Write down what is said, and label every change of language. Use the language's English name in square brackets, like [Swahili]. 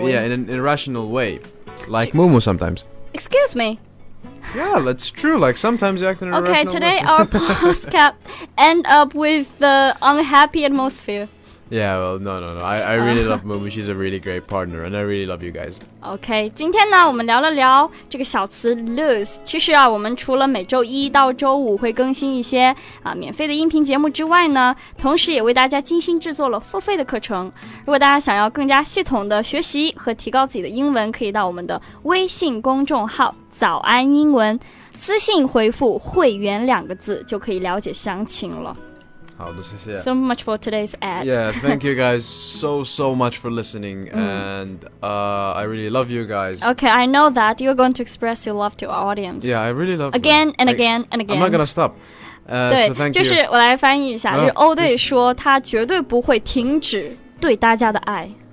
[English] way yeah in an irrational way like Mumu sometimes Excuse me. Yeah, that's true. Like, sometimes you act in a rational way. Okay, today our podcast end up with the unhappy atmosphere. Yeah, well, no. I really love Mumu. She's a really great partner, and I really love you guys. [Chinese] Okay, 今天呢，我们聊了聊这个小词 lose. 其实啊，我们除了每周一到周五会更新一些啊免费的音频节目之外呢，同时也为大家精心制作了付费的课程。如果大家想要更加系统的学习和提高自己的英文，可以到我们的微信公众号“早安英文”，私信回复“会员”两个字就可以了解详情了。 [English] So much for today's ad. Yeah, thank you guys so much for listening. And I really love you guys. Okay, I know that you're going to express your love to our audience. Yeah, I really love again and again and again. I'm not gonna stop. So thank you. [Chinese] 就是我来翻译一下，就是欧队说他绝对不会停止对大家的爱。